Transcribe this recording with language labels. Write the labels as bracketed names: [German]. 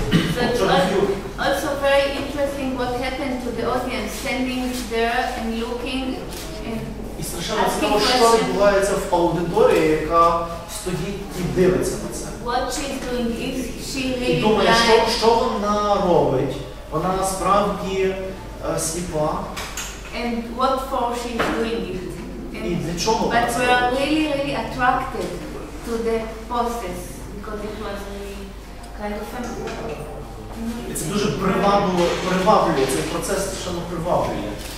[English] Also very interesting what happened to the audience standing there and looking and. [Ukrainian] І страшно цікаво, що відбувається в аудиторії, яка стоїть і дивиться на це. [English] What she's doing is she really blind. [Ukrainian] І думає, що вона робить? Вона насправді сліпа. [English] And what for she's doing it? [Ukrainian] І для чого? [English] But we are really, really attracted to the posters because it was really kind of fun. [Ukrainian] І це дуже приваблює, цей процес страшенно приваблює.